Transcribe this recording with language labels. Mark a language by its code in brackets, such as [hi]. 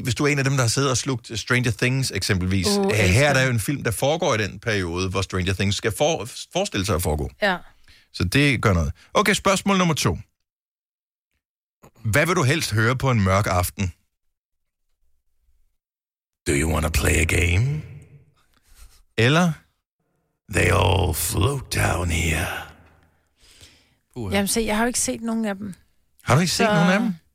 [da] Hvis du er en af dem, der har siddet og slugt Stranger Things eksempelvis. Her er der jo en film, der foregår i den periode, hvor Stranger Things skal forestille sig at foregå. Ja. Så det gør noget. Okay, spørgsmål nummer to. Hvad vil du helst høre på en mørk aften? [en] Do you want to play a game? [da] Eller... [en] They all float down here. [da] Jamen se, jeg har jo ikke set nogen af dem. Har du ikke set nogen af dem?